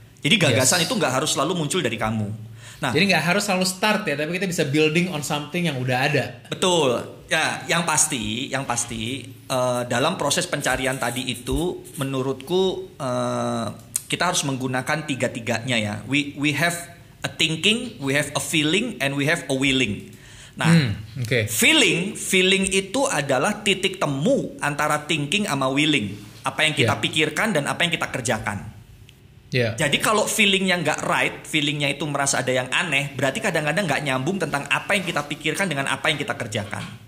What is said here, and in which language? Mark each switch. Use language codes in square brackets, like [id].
[id] Jadi gagasan itu gak harus selalu muncul dari kamu. Nah, jadi gak harus selalu start ya, tapi kita bisa [en] building on something [id] yang udah ada. Betul. Ya, yang pasti dalam proses pencarian tadi itu, menurutku kita harus menggunakan tiga-tiganya ya. [en] We have a thinking, we have a feeling, and we have a willing. [id] Nah, feeling itu adalah titik temu antara thinking sama willing. Apa yang kita pikirkan dan apa yang kita kerjakan. [en] Yeah. [id] Jadi kalau feelingnya nggak right, feelingnya itu merasa ada yang aneh, berarti kadang-kadang nggak nyambung tentang apa yang kita pikirkan dengan apa yang kita kerjakan.